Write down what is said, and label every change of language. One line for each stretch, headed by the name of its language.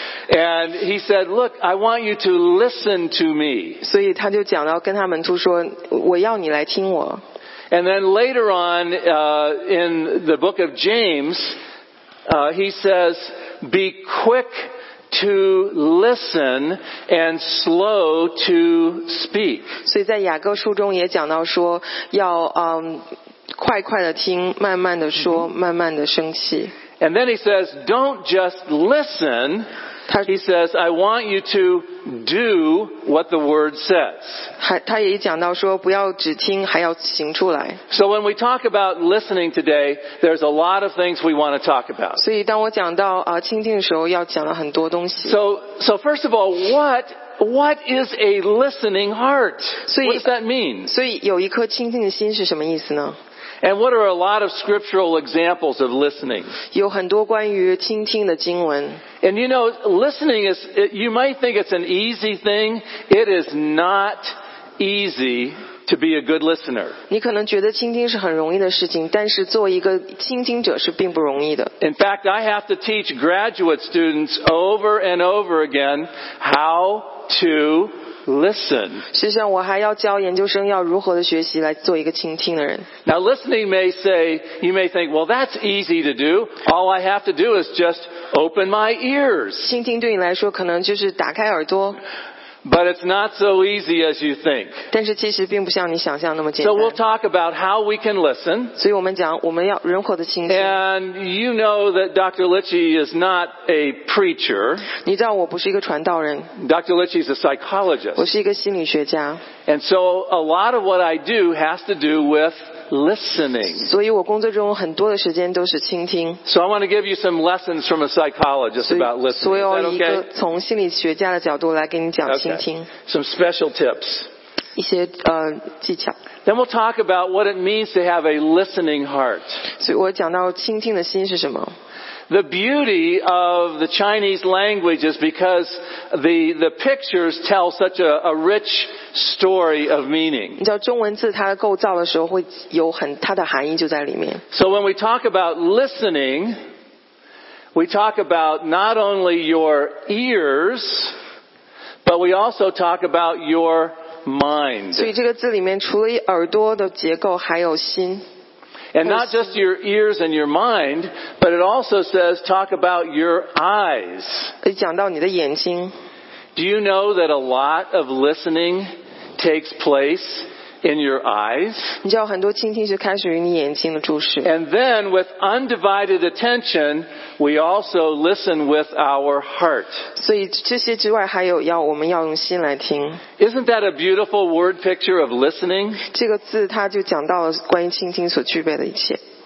English: And he said, look, I want you to listen to me.
Chinese: 所以他就讲到跟他门徒说，我要你来听我。
English: And then later on, in the book of James, he says, be quick to listen and slow to speak.
Chinese: 所以在雅各书中也讲到说要快快的听慢慢的说慢慢的生气。
English: And then he says, don't just listen. He says, I want you to do what the word says.
Chinese: 他也讲到说不要只听还要行出来。
English: So when we talk about listening today, there's a lot of things we want to talk about.
Chinese: 所以当我讲到倾听的时候要讲了很多东西。
English: So first of all, what is a listening heart? What does that mean?
Chinese: 所以有一颗倾听的心是什么意思呢？
English: And what are a lot of scriptural examples of listening?
Chinese: 有很多关于倾听的经文。
English: And you know, listening is, you might think it's an easy thing. It is not easy to be a good listener.
Chinese: 你可能觉得倾听是很容易的事情，但是做一个倾听者是并不容易的。
English: In fact, I have to teach graduate students over and over again how to listen.
Chinese: 实际上我还要教研究生要如何的学习来做一个倾听的人。
English: Now listening may say, you may think, well, that's easy to do. All I have to do is just open my ears.
Chinese: 倾听对你来说可能就是打开耳朵。
English: But it's not so easy as you think. So we'll talk about how we can listen. And you know that Dr. Litchi is not a preacher. Dr. Litchi is a psychologist. And so a lot of what I do has to do with listening. So I want to give you some lessons from a psychologist about listening. Is that okay? Some special tips.
Chinese: 一些技巧。
English: Then we'll talk about what it means to have a listening heart.
Chinese: So 我讲到倾听的心是什么。
English: The beauty of the Chinese language is because the pictures tell such a rich story of meaning.
Chinese: 你知道中文字它构造的时候会有很它的含义就在里面。
English: So when we talk about listening, we talk about not only your ears, but we also talk about your mind.
Chinese: 所以这个字里面除了耳朵的结构还有心。
English: And not just your ears and your mind, but it also says talk about your eyes.
Chinese: 可以讲到你的眼睛。
English: Do you know that a lot of listening takes place in your eyes?
Chinese: 你知道很多倾听是开始于你眼睛的注视。
English: And then with undivided attention, we also listen with our heart.
Chinese: 所以这些之外还有要我们要用心来听。
English: Isn't that a beautiful word picture of listening?
Chinese: 这个字它就讲到了关于倾听所具备的一切。